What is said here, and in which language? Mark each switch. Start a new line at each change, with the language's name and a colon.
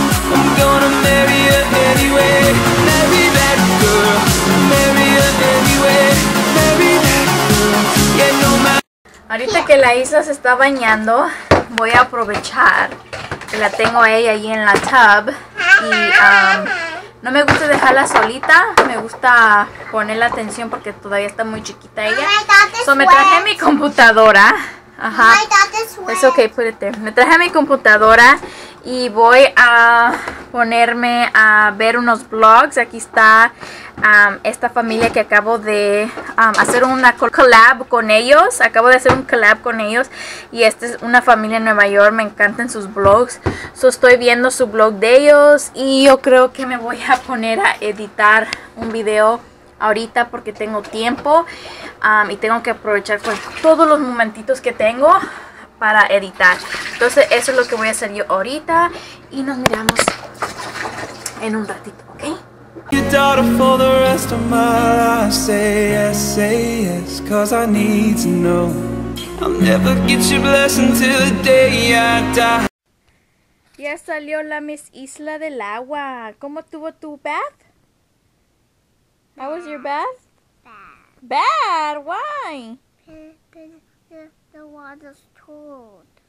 English: I'm gonna marry you anyway. Marry that girl. Marry her anyway. Marry that girl. Yeah, no matter.
Spanish: Ahorita que la Isla se está bañando, voy a aprovechar que la tengo a ella ahí en la tub. Y no me gusta dejarla solita, me gusta ponerle atención porque todavía está muy chiquita ella. So me traje mi computadora. Ajá. Es okay,
English: put it there.
Spanish: Me traje mi computadora y voy a ponerme a ver unos vlogs. Aquí está esta familia que acabo de hacer una collab con ellos. Acabo de hacer un collab con ellos. Y esta es una familia en Nueva York. Me encantan sus vlogs. So estoy viendo su vlog de ellos. Y yo creo que me voy a poner a editar un video ahorita porque tengo tiempo. Y tengo que aprovechar pues, todos los momentitos que tengo para editar. Entonces eso es lo que voy a hacer yo ahorita. Y nos miramos en un ratito, ¿ok?
English: Your daughter for the rest of my life. Say yes, cause I need to know. I'll never get your blessing till the day I die.
Spanish: Ya salió la Miss Isla del agua. ¿Cómo tuvo tu bath?
English: How was your bath? Bad. Bad? Why? The water's cold.